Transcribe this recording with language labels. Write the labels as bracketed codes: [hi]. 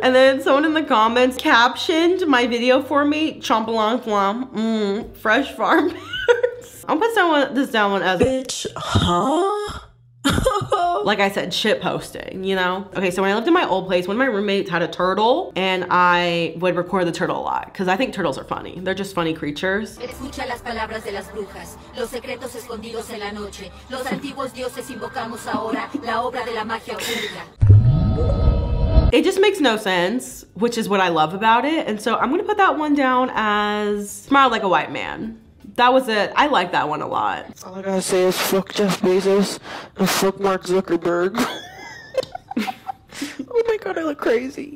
[en] And then someone in the comments captioned my video for me, chomp along flom, fresh farm pears. I'm putting this down as bitch, huh? Like I said, shit posting, you know? Okay, so when I lived in my old place, one of my roommates had a turtle and I would record the turtle a lot because I think turtles are funny. They're just funny creatures. [es] Escucha las palabras de las brujas, los secretos escondidos en la noche, los antiguos dioses invocamos ahora la obra de la magia pública. [en] It just makes no sense, which is what I love about it. And so I'm gonna put that one down as smile like a white man. that was it. I like that one a lot. All I gotta say is fuck Jeff Bezos and fuck Mark Zuckerberg. Oh my god, I look crazy.